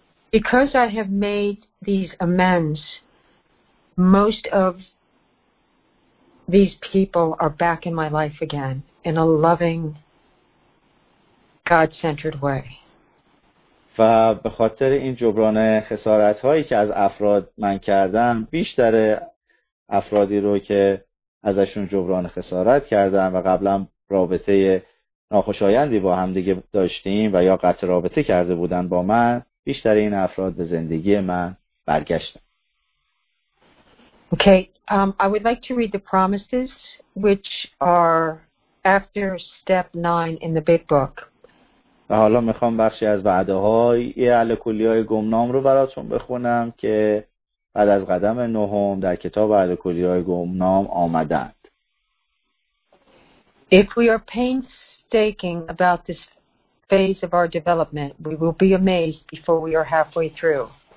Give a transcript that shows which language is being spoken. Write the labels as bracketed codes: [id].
[en] Because I have made these amends, most of these people are back in my life again in a loving, God-centered way. [fa] و به خاطر این جبران خسارت‌هایی که از افراد من کردم، بیشتر افرادی رو که ازشون جبران خسارت کردم و قبلا رابطه ناخوشایندی با هم دیگه داشتیم و یا قطع رابطه کرده بودن با من، بیشتر این افراد به زندگی من برگشتن. [en] Okay, I would like to read the promises which are after step 9 in the big book. [fa] و حالا میخوام بخشی از وعده‌های الکلی‌های گمنام رو براتون بخونم که بعد از قدم نهم در کتاب الکلی‌های گمنام آمدند. [en] If we are painstaking about this phase of our development, we will be amazed before we are halfway through.